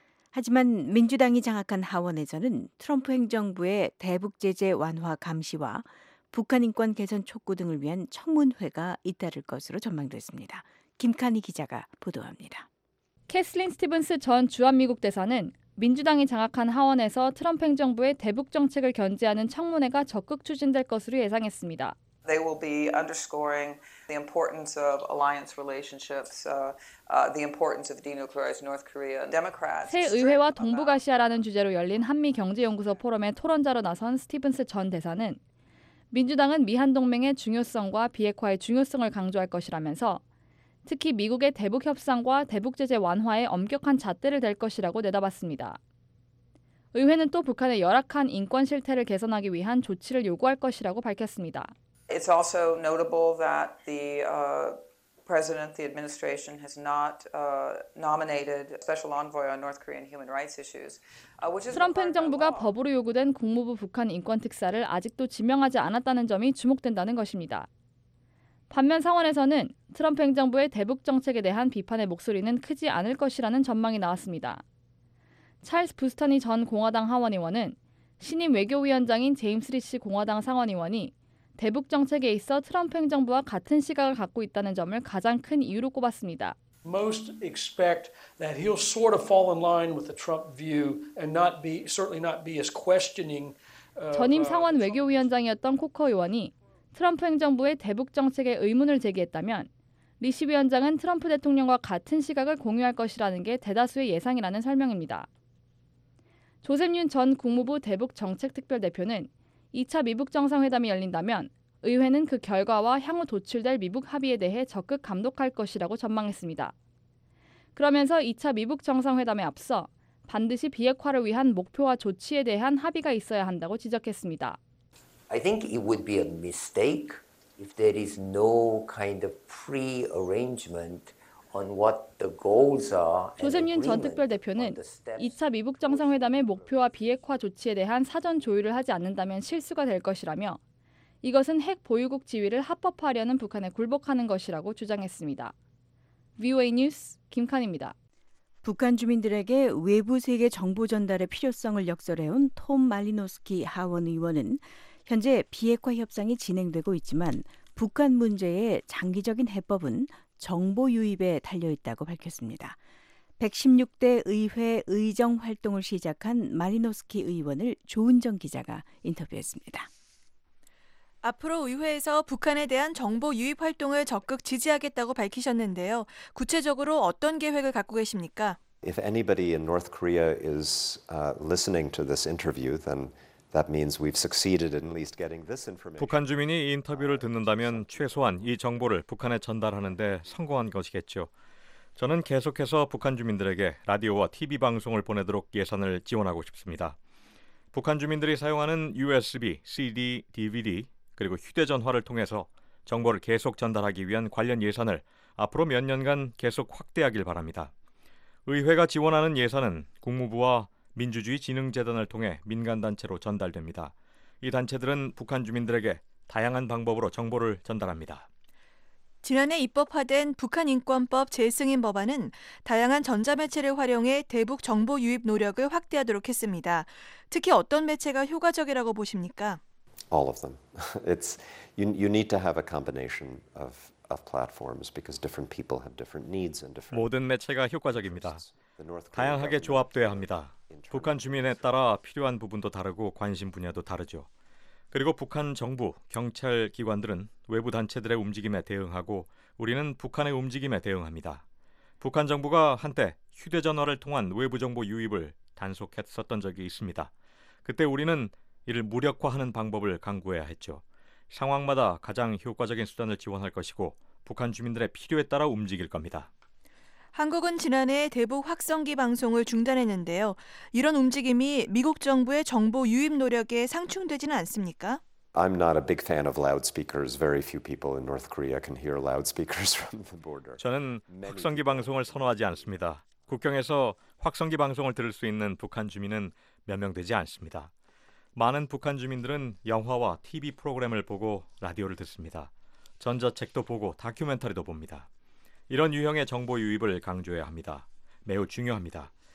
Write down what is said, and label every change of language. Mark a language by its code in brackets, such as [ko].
[ko] 하지만 민주당이 장악한 하원에서는 트럼프 행정부의 대북 제재 완화 감시와 북한 인권 개선 촉구 등을 위한 청문회가 잇따를 것으로 전망됐습니다. 김카니 기자가 보도합니다. 캐슬린 스티븐스 전 주한미국 대사는 민주당이 장악한 하원에서 트럼프 행정부의 대북 정책을 견제하는 청문회가 적극 추진될 것으로 예상했습니다. [en] They will be underscoring the importance of alliance relationships, the importance of denuclearized North Korea. Democrats. [ko] 새 의회와 동북아시아라는 주제로 열린 한미 경제연구소 포럼의 토론자로 나선 스티븐스 전 대사는 민주당은 미한 동맹의 중요성과 비핵화의 중요성을 강조할 것이라면서 특히 미국의 대북 협상과 대북 제재 완화에 엄격한 잣대를 댈 것이라고 내다봤습니다. 의회는 또 북한의 열악한 인권 실태를 개선하기 위한 조치를 요구할 것이라고 밝혔습니다. [en] It's also notable that the president, the administration has not nominated special envoy on North Korean human rights issues. [ko] 트럼프 행정부가 법으로 요구된 국무부 북한 인권 특사를 아직도 지명하지 않았다는 점이 주목된다는 것입니다. 반면 상원에서는 트럼프 행정부의 대북 정책에 대한 비판의 목소리는 크지 않을 것이라는 전망이 나왔습니다. 찰스 부스터니 전 공화당 하원의원은 신임 외교위원장인 제임스 리시 공화당 상원의원이 대북 정책에 있어 트럼프 행정부와 같은 시각을 갖고 있다는 점을 가장 큰 이유로 꼽았습니다. [en] Most expect that he'll sort of fall in line with the Trump view and not be certainly not be as questioning. [ko] 전임 상원 외교위원장이었던 코커 의원이 트럼프 행정부의 대북 정책에 의문을 제기했다면 리시 위원장은 트럼프 대통령과 같은 시각을 공유할 것이라는 게 대다수의 예상이라는 설명입니다. 조셉 윤 전 국무부 대북 정책 특별대표는 2차 미북 정상회담이 열린다면 의회는 그 결과와 향후 도출될 미북 합의에 대해 적극 감독할 것이라고 전망했습니다. 그러면서 2차 미북 정상회담에 앞서 반드시 비핵화를 위한 목표와 조치에 대한 합의가 있어야 한다고 지적했습니다. [en] I think it would be a mistake if there is no kind of pre-arrangement on what the goals are. [ko] 조셉 윤 전 특별대표는 2차 미북 정상회담의 목표와 비핵화 조치에 대한 사전 조율을 하지 않는다면 실수가 될 것이라며 이것은 핵 보유국 지위를 합법화하려는 북한에 굴복하는 것이라고 주장했습니다. VOA 뉴스 김칸입니다. 북한 주민들에게 외부 세계 정보 전달의 필요성을 역설해온 톰 말리노스키 하원 의원은 현재 비핵화 협상이 진행되고 있지만 북한 문제의 장기적인 해법은 정보 유입에 달려 있다고 밝혔습니다. 116대 의회 의정 활동을 시작한 마리노스키 의원을 조은정 기자가 인터뷰했습니다. 앞으로 의회에서 북한에 대한 정보 유입 활동을 적극 지지하겠다고 밝히셨는데요. 구체적으로 어떤 계획을 갖고 계십니까? [en] If anybody in North Korea is listening to this interview, then that means we've succeeded in at least getting this information. [ko] 북한 주민이 이 인터뷰를 듣는다면 최소한 이 정보를 북한에 전달하는 데 성공한 것이겠죠. 저는 계속해서 북한 주민들에게 라디오와 TV 방송을 보내도록 예산을 지원하고 싶습니다. 북한 주민들이 사용하는 USB, CD, DVD 그리고 휴대전화를 통해서 정보를 계속 전달하기 위한 관련 예산을 앞으로 몇 년간 계속 확대하길 바랍니다. 의회가 지원하는 예산은 국무부와 민주주의 진흥재단을 통해 민간단체로 전달됩니다. 이 단체들은 북한 주민들에게 다양한 방법으로 정보를 전달합니다. 지난해 입법화된 북한인권법 재승인 법안은 다양한 전자매체를 활용해 대북 정보 유입 노력을 확대하도록 했습니다. 특히 어떤 매체가 효과적이라고 보십니까? [en] All of them. It's you need to have a combination of platforms because different people have different needs and different [ko] 모든 매체가 효과적입니다. 다양하게 조합되어야 합니다. 북한 주민에 따라 필요한 부분도 다르고 관심 분야도 다르죠. 그리고 북한 정부, 경찰 기관들은 외부 단체들의 움직임에 대응하고 우리는 북한의 움직임에 대응합니다. 북한 정부가 한때 휴대전화를 통한 외부 정보 유입을 단속했었던 적이 있습니다. 그때 우리는 이를 무력화하는 방법을 강구해야 했죠. 상황마다 가장 효과적인 수단을 지원할 것이고 북한 주민들의 필요에 따라 움직일 겁니다. 한국은 지난해 대북 확성기 방송을 중단했는데요. 이런 움직임이 미국 정부의 정보 유입 노력에 상충되지는 않습니까? [en] I'm not a big fan of loudspeakers. Very few people in North Korea can hear loudspeakers from the border. [ko] 저는 확성기 방송을 선호하지 않습니다. 국경에서 확성기 방송을 들을 수 있는 북한 주민은 몇 명 되지 않습니다. 많은 북한 주민들은 영화와 TV 프로그램을 보고 라디오를 듣습니다. 전자책도 보고 다큐멘터리도 봅니다. 이런 유형의 정보 유입을 강조해야 합니다. 매우 중요합니다.